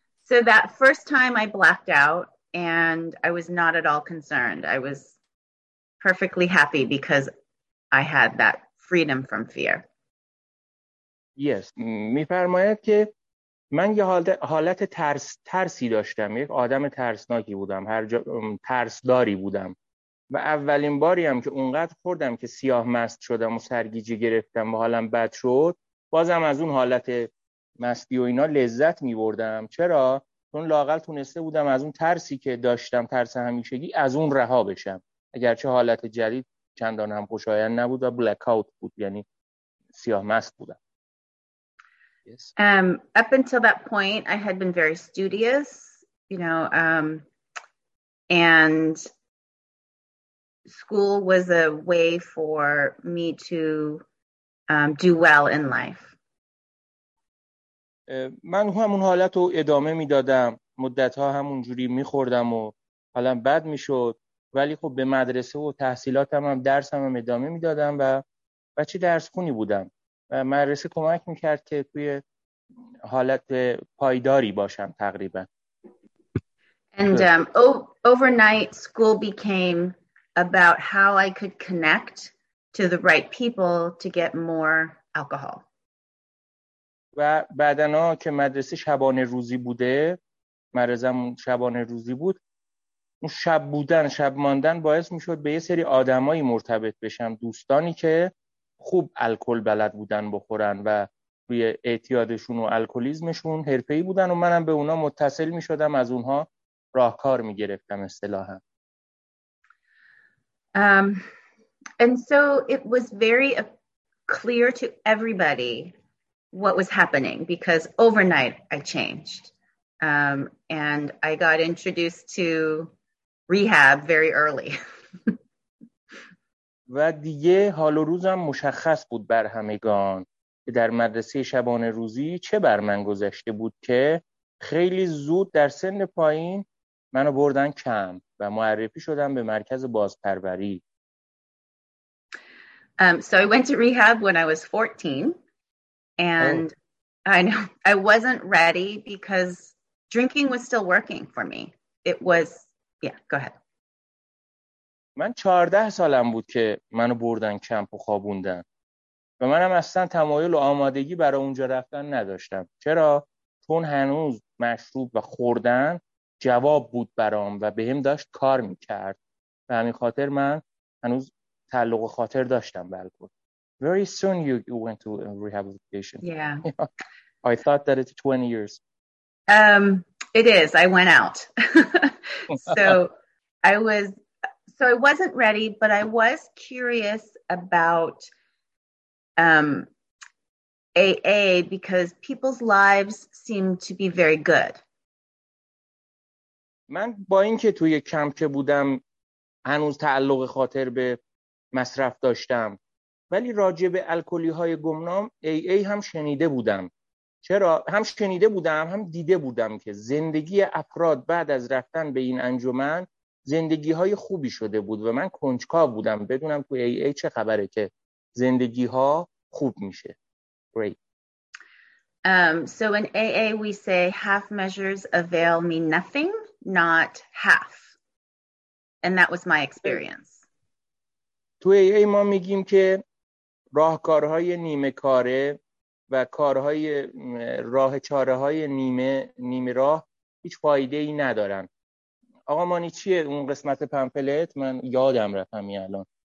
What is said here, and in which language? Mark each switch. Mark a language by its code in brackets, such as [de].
[en] So that first time I blacked out, and I was not at all concerned. I was perfectly happy because I had that freedom from fear. [fa] Yes, می فرماید که من یه حالت ترسی داشتم، یک آدم ترسناکی بودم، هر جا ترسداری بودم و اولین باری هم که اونقدر خوردم که سیاه مست شدم و سرگیجه گرفتم و حالم بد شد، بازم از اون حالت مستی و اینا لذت می بردم. چرا؟ چون لاقل تونسته بودم از اون ترسی که داشتم، ترس همیشگی، از اون رها بشم، اگرچه حالت جدید چندان هم خوشایند نبود و بلک اوت بود، یعنی سیاه مست بودم. [en] Yes. Up until that point I had been very studious, you know, and school was a way for me to do well in life. [fa] من همون حالت رو ادامه میدادم، مدت ها همون جوری میخوردم و حالا بد میشد، ولی خب به مدرسه و تحصیلاتم هم درسم هم ادامه میدادم و بچه درس خونی بودم و مدرسه کمک میکرد که توی حالت پایداری باشم تقریبا. [en] And overnight school became about how I could connect to the right people to get more alcohol. [fa] و بعدنا که مدرسه شبانه روزی بوده، مرزم شبانه روزی بود، اون شب بودن، شب ماندن باعث میشد به یه سری آدمایی مرتبط بشم، دوستانی که خوب الکل بلد بودن بخورن و روی اعتیادشون و الکلیزمشون حرفه‌ای بودن و منم به اونا متصل میشدم، از اونها راهکار میگرفتم اصطلاحا. [en] And so it was very clear to everybody what was happening because overnight I changed. And I got introduced to rehab very early. [fa] و دیگه حال و روزم مشخص بود بر همگان که در مدرسه شبانه روزی چه بر من گذشته بود که خیلی زود در سن پایین منو بردن کمپ و معرفی شدم به مرکز بازپروری. [en] So I went to rehab when I was 14 and I wasn't ready because drinking was still working for me. It was, yeah, go ahead. [fa] من 14 سالم بود که منو بردن کمپ و خوابوندن و منم اصلا تمایل و آمادگی برای اونجا رفتن نداشتم. چرا؟ چون هنوز مشروب و خوردن جواب بود برام و به هم داشت کار میکرد. به همین خاطر من هنوز تعلق و خاطر داشتم به الکل. [en] Very soon you went to rehabilitation. Yeah. I thought that it's 20 years. It is. I went out. So I wasn't ready, but I was curious about AA because people's lives seem to be very good. [fa] من با اینکه توی کمپ که بودم هنوز تعلق خاطر به مصرف داشتم، ولی راجع به الکلی های گمنام AA هم شنیده بودم. چرا؟ هم شنیده بودم هم دیده بودم که زندگی افراد بعد از رفتن به این انجمن زندگی های خوبی شده بود و من کنجکاو بودم بدونم تو AA چه خبره که زندگی ها خوب میشه. [en] Great. So in AA we say half measures avail me nothing, not half. And that was my experience. [fa] تو ای ای ما میگیم که راهکارهای نیمه کاره و کارهای راه چاره های نیمه راه هیچ فایده ای ندارن. آقا مانی چیه اون قسمت پمپلت؟ من یادم رفت همین الان.